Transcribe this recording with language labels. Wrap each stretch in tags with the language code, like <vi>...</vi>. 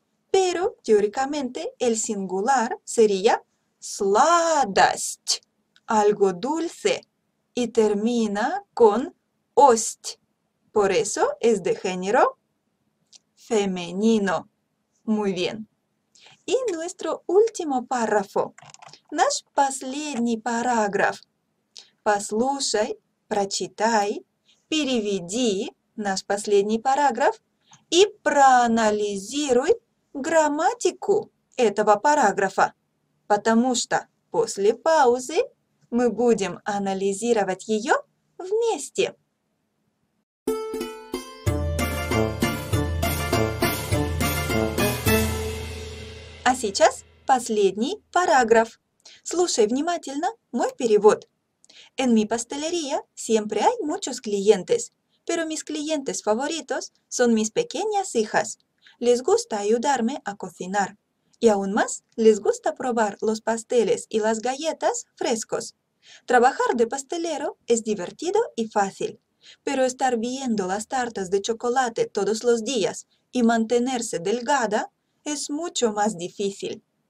<es>Pero, teóricamente, el singular sería сладость. Algo dulce. Y termina con ость. Por eso es de género femenino. Muy bien. Y nuestro último párrafo.</es> <ru>Наш последний параграф. Послушай, прочитай, переведи наш последний параграф и проанализируй грамматику этого параграфа, потому что после паузы мы будем анализировать ее вместе. А сейчас последний параграф. Слушай внимательно мой перевод.</ru> <es>En mi pastelería siempre hay muchos clientes, pero mis clientes favoritos son mis pequeñas hijas. Les gusta ayudarme a cocinar. Y aún más, les gusta probar los pasteles y las galletas frescos. Trabajar de pastelero es divertido y fácil, pero estar viendo las tartas de chocolate todos los días y mantenerse delgada es mucho más difícil.</es>